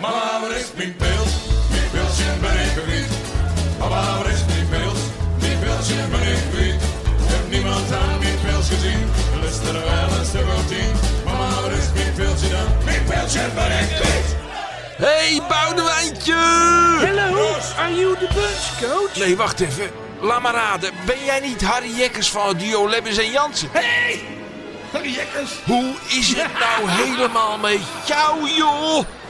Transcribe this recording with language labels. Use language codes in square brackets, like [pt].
[nl] Maar waar is mijn pilsje ben ik gewiet. Maar waar is mijn pilsje ben ik gewiet. Heb niemand aan mijn pils gezien, lust er wel een stuk of tien. Maar waar is mijn pilsje ben ik gewiet. Hey, Boudewijntje! [en] Hello, are you the bus coach? [nl] Nee, wacht even. Laat maar raden. Ben jij niet Harry Jekkers van het duo Lebbens en Jansen? Hey, Harry Jekkers. Hoe is het nou helemaal met jou, joh?